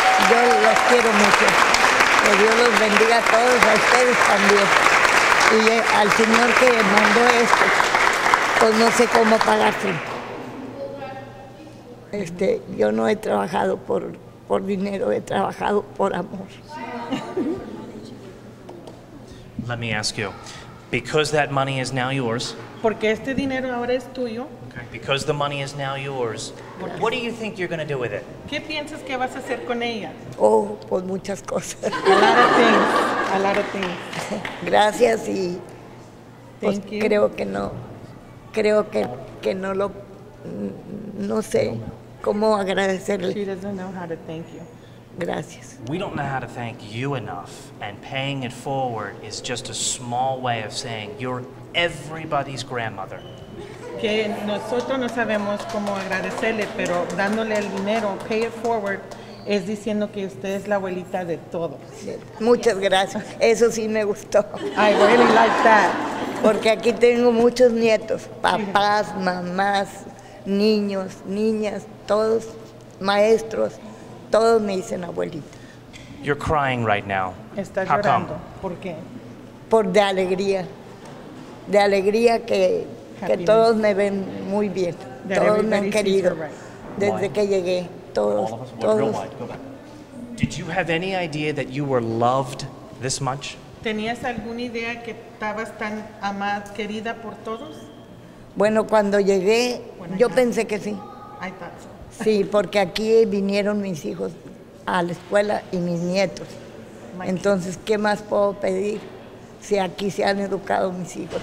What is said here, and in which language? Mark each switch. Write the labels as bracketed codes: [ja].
[es] Yo los quiero mucho. Que Dios los bendiga a todos, a ustedes también. Y al señor que mandó esto, pues no sé cómo pagarse. Yo no he trabajado por dinero, he trabajado por amor. [en] Let me ask you, because that money is now yours. [es] Porque este dinero ahora es tuyo. [en] Okay. Because the money is now yours. [es] Gracias. [en] What do you think you're going to do with it? [es] ¿Qué piensas que vas a hacer con ella? Oh, pues muchas cosas. [en] A lot of things. [es] Gracias y pues, creo que no sé cómo agradecerle. [en] She doesn't know how to thank you. [es] Gracias. [en] We don't know how to thank you enough, and paying it forward is just a small way of saying you're everybody's grandmother. [es] Que nosotros no sabemos cómo agradecerle, pero dándole el dinero, [en] pay it forward, [es] es diciendo que usted es la abuelita de todos. Muchas gracias. Eso sí me gustó. [en] I really like that. [es] Porque aquí tengo muchos nietos, papás, mamás, niños, niñas, todos, maestros, todos me dicen abuelita. [en] You're crying right now. [es] Está llorando. ¿Por qué? Por de alegría que todos me ven muy bien, todos me han querido desde que llegué, todos, todos. [en] Did you have any idea that you were loved this much? [es] ¿Tenías alguna idea que estabas tan amada, querida por todos? Bueno, cuando llegué, yo pensé que sí. [en] I thought so. [es] Sí, porque aquí vinieron mis hijos a la escuela y mis nietos. Entonces, ¿qué más puedo pedir? Si aquí se han educado mis hijos.